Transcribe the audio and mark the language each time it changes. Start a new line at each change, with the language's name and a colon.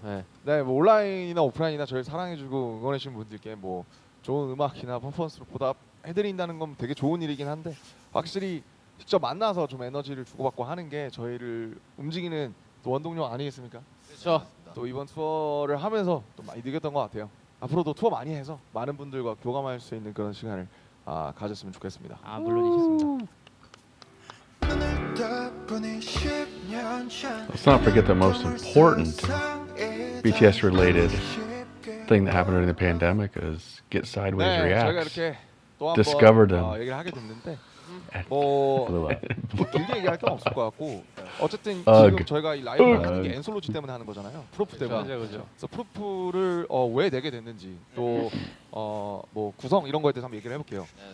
Korean: 네, 네 뭐 온라인이나 오프라인이나 저희 사랑해주고 응원해주신 분들께 뭐 좋은 음악이나 퍼포먼스로 보답해드린다는 건 되게 좋은 일이긴 한데 확실히 직접 만나서 좀 에너지를 주고받고 하는 게 저희를 움직이는 또 원동력 아니겠습니까? 그렇죠. 또 이번 투어를 하면서 또 많이 느꼈던 것 같아요. 앞으로도 투어 많이 해서 많은 분들과 교감할 수 있는 그런 시간을 가졌으면 좋겠습니다. 아, 물론이셨습니다.
English: Let's not forget the most important BTS related thing that happened during the pandemic is GetSideways
Korean: 네,
English: Reacts.
Korean: 제가 이렇게 또 한
English: discovered them.
Korean: 얘기를 하게 됐는데 뭐 길게 얘기할 건 없을 것 같고 어쨌든 지금 저희가 이 라이브 하는 게 엔솔로지 때문에 하는 거잖아요. 프로프 때문에. 그렇죠, 그렇죠. 그래서 프로프를 왜 내게 됐는지 또 뭐 구성 이런 거에 대해서 한번 얘기를 해볼게요.